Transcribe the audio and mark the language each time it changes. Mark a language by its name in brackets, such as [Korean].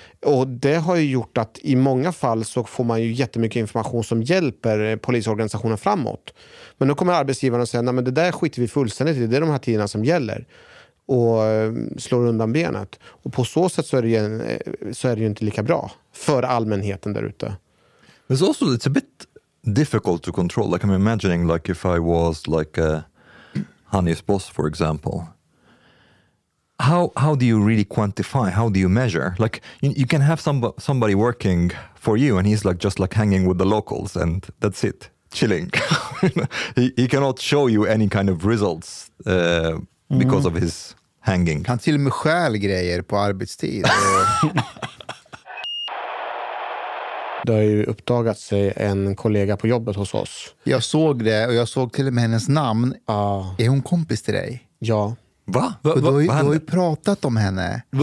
[Swedish] Och det har ju gjort att i många fall så får man ju jättemycket information som hjälper polisorganisationen framåt. Men då kommer arbetsgivaren och säger, nej, men det där skiter vi fullständigt i, det är de här tiderna som gäller. Och slår undan benet. Och på så sätt så är det ju inte lika bra för allmänheten där ute. [English] It's also it's a bit difficult to control. Like I'm imagining like if I was like Hani's boss for example. How do you really quantify? How do you measure? Like you can have somebody working for you, and he's like just like hanging with the locals, and that's it, chilling. he cannot show you any kind of results because of his hanging. [Swedish] Han till och med stjäl grejer på arbetstid. Det har ju uppdagat sig en kollega på jobbet hos oss. Jag såg det, och jag såg till och med hennes namn. Är hon kompis till dig? Ja. Va? Du har ju pratat om henne.